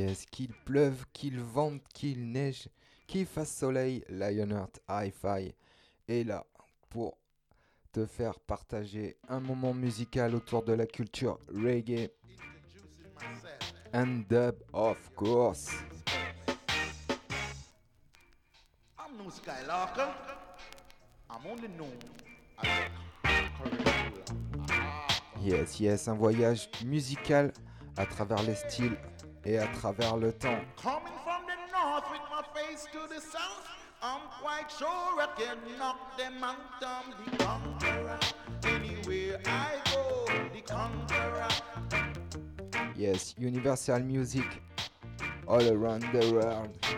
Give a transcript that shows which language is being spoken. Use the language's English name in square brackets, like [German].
[French] Qu'il pleuve, qu'il vente, qu'il neige, qu'il fasse soleil, Lionheart Hi-Fi est là pour te faire partager un moment musical autour de la culture reggae [English] and dub, of course. I'm no Skylarker, I'm only known as a conqueror. [French] Yes, yes, un voyage musical à travers les styles et à travers le temps. [English] Coming from the north with my face to the south, I'm quite sure I can knock them out. I'm the conqueror. Anywhere I go, the conqueror. Yes, universal music all around the world.